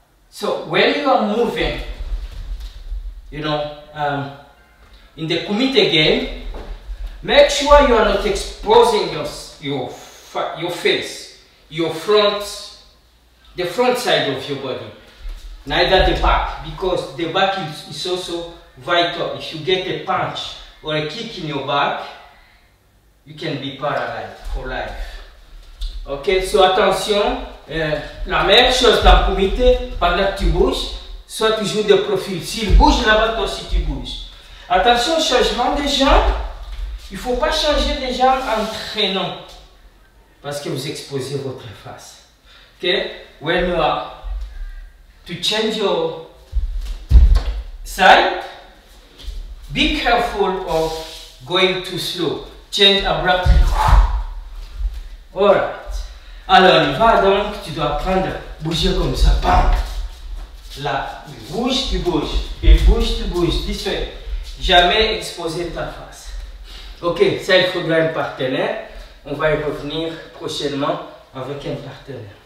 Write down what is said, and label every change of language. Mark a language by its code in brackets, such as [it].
[en] So when you are moving, you know, in the committee game, make sure you are not exposing your face, your front, the front side of your body, neither the back, because the back is also vital. If you get a punch or a kick in your back, you can be paralyzed for life. Okay, so [fr] attention, la même chose dans le comité, pendant que tu bouges, sois toujours de profil. S'il bouge là-bas, toi aussi tu bouges. Attention au changement des jambes, il ne faut pas changer les jambes en traînant, parce que vous exposez votre face. [en] Okay, when you are to change your side, be careful of going too slow. Change abruptly. Alright. [fr] Alors, il va donc, tu dois apprendre à bouger comme ça. Bam! Là, bouge, tu bouges. Et bouge, tu bouges. [en] This way. [fr] Jamais exposer ta face. Ok, ça, il faudra un partenaire. On va y revenir prochainement avec un partenaire.